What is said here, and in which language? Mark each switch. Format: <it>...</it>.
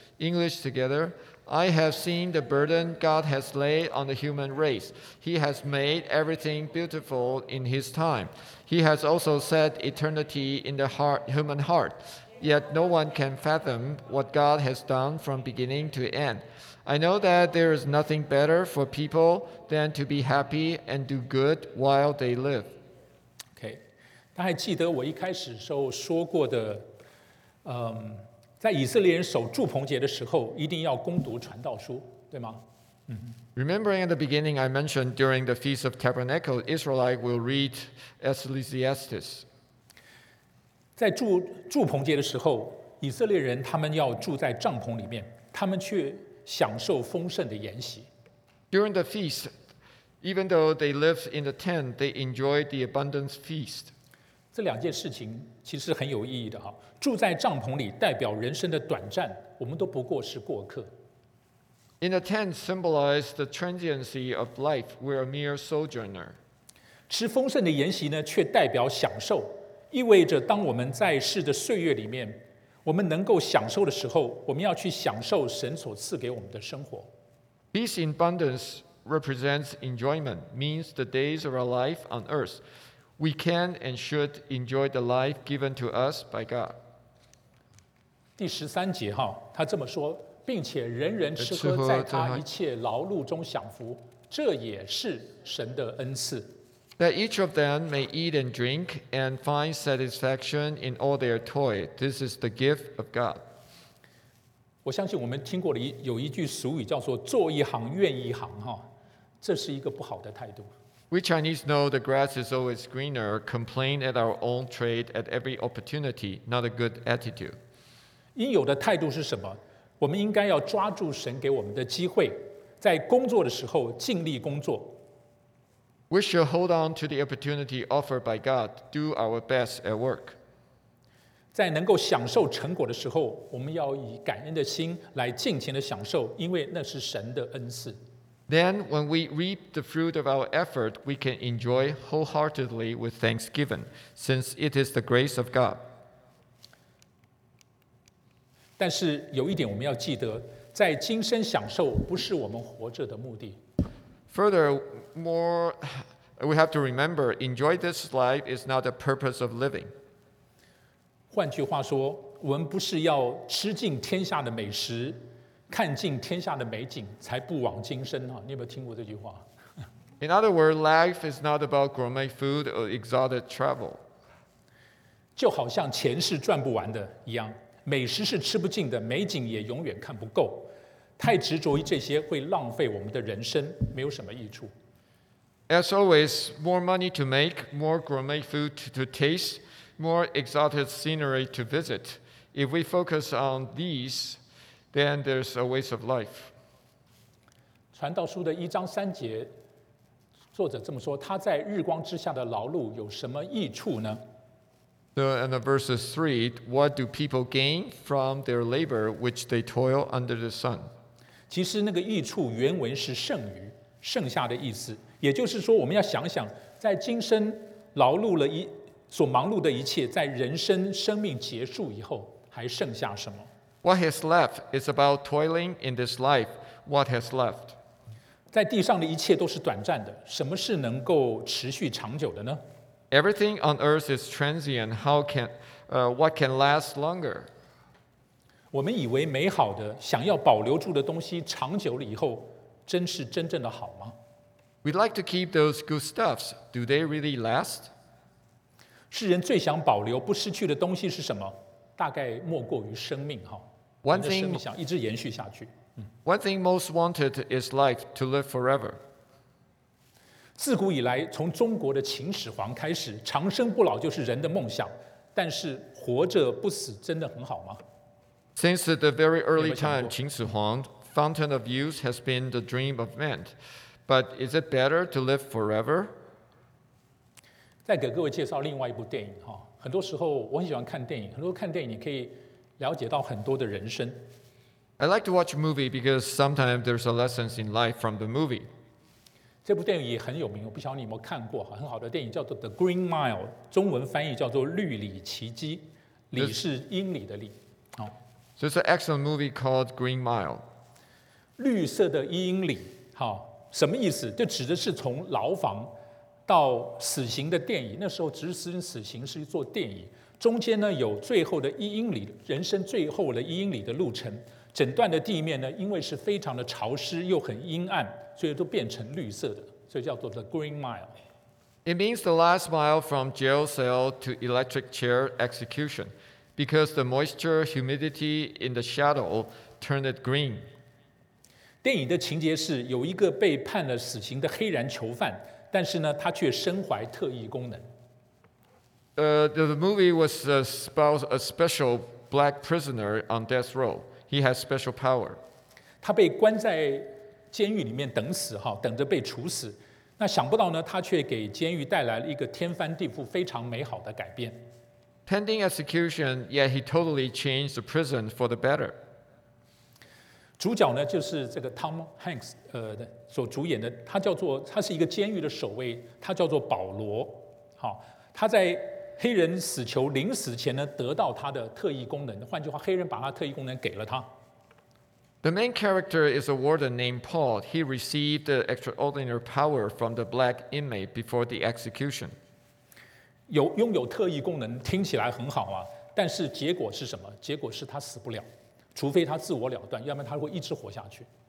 <en>English together. I have seen the burden God has laid on the human race. He has made everything beautiful in his time. He has also set eternity in the human heart. Yet no one can fathom what God has done from beginning to end. I know that there is nothing better for people than to be happy and do good while they live.</en> <zh>他还记得我一开始时候说过的，在以色列人守祝棚节的时候，一定要攻读传道书，对吗？</zh> <en>Remembering at the beginning, I mentioned during the Feast of Tabernacle, Israelite will read Ecclesiastes.</en> <zh>在祝棚节的时候，以色列人他们要住在帐篷里面，他们却享受丰盛的筵席。</zh> <en>During the feast, even though they lived in the tent, they enjoyed the abundance feast.</en> <zh>这两件事情其实很有意义的，住在帐篷里代表人生的短暂，我们都不过是过客。</zh> <en>In a tent symbolized the transiency of life, we're a mere sojourner.</en> <zh>吃丰盛的筵席呢，却代表享受，意味着当我们在世的岁月里面，我们能够享受的时候，我们要去享受神所赐给我们的生活。</zh> <en>Peace in abundance represents enjoyment, means the days of our life on earth. We can and should enjoy the life given to us by God.</en> <zh>第十三节哈，他这么说，并且人人吃喝，在他一切劳碌中享福，这也是神的恩赐。</zh> <en>That each of them may eat and drink and find satisfaction in all their toil. This is the gift of God.</en> <zh>我相信我们听过的有一句俗语叫做“做一行怨一行”哈，这是一个不好的态度。</zh> <en>We Chinese know the grass is always greener, complain at our own trade at every opportunity, not a good attitude.</en> <zh>应有的态度是什么？我们应该要抓住神给我们的机会，在工作的时候尽力工作。</zh> <en>We should hold on to the opportunity offered by God, do our best at work.</en> <zh>在能够享受成果的时候，我们要以感恩的心来尽情的享受，因为那是神的恩赐。</zh> <en>Then, when we reap the fruit of our effort, we can enjoy wholeheartedly with thanksgiving, since it is the grace of God.</en> <zh>但是有一点我们要记得，在今生享受不是我们活着的目的。</zh> <en>Furthermore, we have to remember, enjoy this life is not the purpose of living.</en> <zh>换句话说，我们不是要吃尽天下的美食。看尽天下的美景，才不枉今生。你有没有听过这句话？</zh> <en>In other words, life is not about gourmet food or exotic travel.</en> <zh>就好像钱是赚不完的一样，美食是吃不尽的，美景也永远看不够。太执着于这些会浪费我们的人生，没有什么益处。</zh> <en>As always, more money to make, more gourmet food to taste, more exotic scenery to visit. If we focus on these,Then there's a waste of life.</en> <zh>传道书的一章三节，作者这么说：他在日光之下的劳碌有什么益处呢？</zh> <en>So in verses 3, what do people gain from their labor which they toil under the sun?</en> <zh>其实那个益处原文是剩余，剩下的意思。也就是说，我们要想想，在今生劳碌了所忙碌的一切，在人生生命结束以后，还剩下什么？</zh> <en>What has left is about toiling in this life. What has left?</en> <zh>在地上的一切都是短暂的，什么是能够持续长久的呢？</zh> <en>Everything on earth is transient. What can last longer?</en> <zh>我们以为美好的、想要保留住的东西，长久了以后，真是真正的好吗？</zh> <en>We'd like to keep those good stuffs. Do they really last?</en> <zh>世人最想保留、不失去的东西是什么？大概莫过于生命哈，人的生命想一直延续下去。</zh> <en>One thing most wanted is life to live forever.</en> <zh>自古以来，从中国的秦始皇开始，长生不老就是人的梦想。但是活着不死真的很好吗</zh> <en>？Since the very early time, 秦始皇 fountain of youth has been the dream of man. But is it better to live forever?</en> <zh>再给各位介绍另外一部电影哈。很多时候我很喜欢看电影，很多看电影你可以了解到很多的人生。</zh> <en>I like to watch a movie because sometimes there's a lesson in life from the movie.</en> <zh>这部电影也很有名，我不晓得你有没有看过，很好的电影叫做《The Green Mile》，中文翻译叫做《绿里奇迹》，里是英里的里。</zh> <en>So it's an excellent movie called Green Mile.</en> <zh>绿色的英里，好，什么意思？就指的是从牢房到死刑的电影，那时候执行死刑是一座电影，中间呢有最后的一英里，人生最后的一英里的路程。整段的地面呢，因为是非常的潮湿又很阴暗，所以都变成绿色的，所以叫做 The Green Mile.</zh> <en>It means the last mile from jail cell to electric chair execution, because the moisture, humidity in the shadow turned it green.</en> <zh>电影的情节是有一个被判了死刑的黑人囚犯，但是呢，他却身怀特异功能。</zh> <en>The movie was about a special black prisoner on death row. He has special power.</en> <zh>他被关在监狱里面等死，等着被处死。那想不到呢，他却给监狱带来了一个天翻地覆、非常美好的改变。</zh> <en>Pending execution, yet he totally changed the prison for the better.</en> <zh>主角呢，就是这个 Tom Hanks, 所主演的，他是一个监狱的守卫，他叫做保罗。好，他在黑人死囚临死前呢，得到他的特异功能。换句话，黑人把他特异功能给了他。</zh> <en>The main character is a warden named Paul. He received the extraordinary power from the black inmate before the execution.</en> <zh>拥有特异功能听起来很好啊，但是结果是什么？结果是他死不了，除非他自我了断，要不然他会一直活下去。</zh>